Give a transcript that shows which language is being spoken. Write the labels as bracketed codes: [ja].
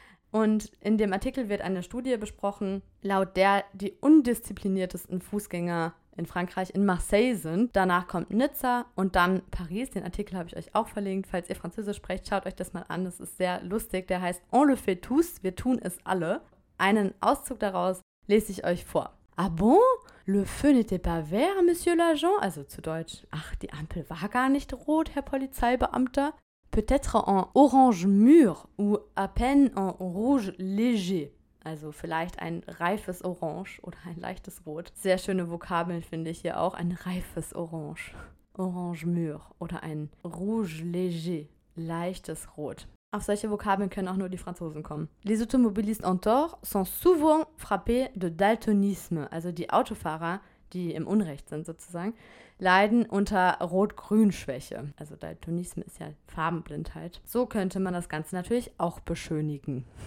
[de] Und in dem Artikel wird eine Studie besprochen, laut der die undiszipliniertesten Fußgänger in Frankreich in Marseille sind. Danach kommt Nizza und dann Paris. Den Artikel habe ich euch auch verlinkt. Falls ihr Französisch sprecht, schaut euch das mal an. Das ist sehr lustig. Der heißt [fr] On le fait tous, [de] wir tun es alle. Einen Auszug daraus lese ich euch vor. [fr] Ah bon? Le feu n'était pas vert, monsieur l'agent? [de] Also zu Deutsch. Ach, die Ampel war gar nicht rot, Herr Polizeibeamter. [fr] Peut-être en orange mûr ou à peine en rouge léger. [de] Also vielleicht ein reifes Orange oder ein leichtes Rot. Sehr schöne Vokabeln finde ich hier auch. Ein reifes Orange. [fr] Orange mûr [de] oder ein [fr] rouge léger. [de] Leichtes Rot. Auf solche Vokabeln können auch nur die Franzosen kommen. [fr] Les automobilistes en tort sont souvent frappés de daltonisme. [de] Also die Autofahrer, die im Unrecht sind sozusagen, leiden unter Rot-Grün-Schwäche. Also Daltonisme ist ja Farbenblindheit. So könnte man das Ganze natürlich auch beschönigen.